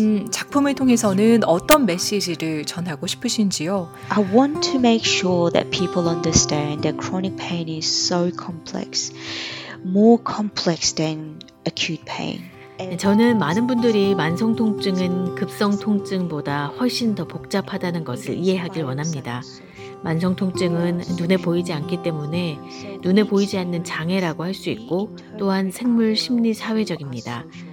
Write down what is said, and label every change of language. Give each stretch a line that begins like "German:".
Korean: 작품을 통해서는 어떤 메시지를 전하고 싶으신지요?
English: I want to make sure that people understand that chronic pain is so complex, more complex than acute pain.
Korean: 저는 많은 분들이 만성통증은 급성통증보다 훨씬 더 복잡하다는 것을 이해하길 원합니다. 만성 통증은 눈에 보이지 않기 때문에 눈에 보이지 않는 장애라고 할 수 있고 또한 생물 심리 사회적입니다.